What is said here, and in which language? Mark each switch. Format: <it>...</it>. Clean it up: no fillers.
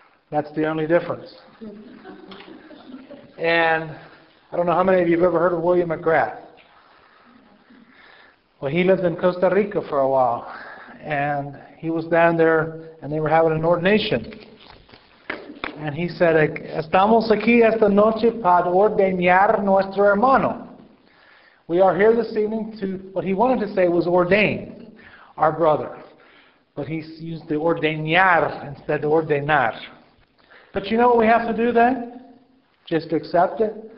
<en>That's the only difference. And I don't know how many of you have ever heard of William McGrath. Well, he lived in Costa Rica for a while. And he was down there and they were having an ordination. And he said,</en> <es>estamos aquí esta noche para ordeñar nuestro hermano.</es> <en>We are here this evening to, what he wanted to say was ordain our brother. But he used the ordeñar instead of ordenar. But you know what we have to do then? Just accept it.</en>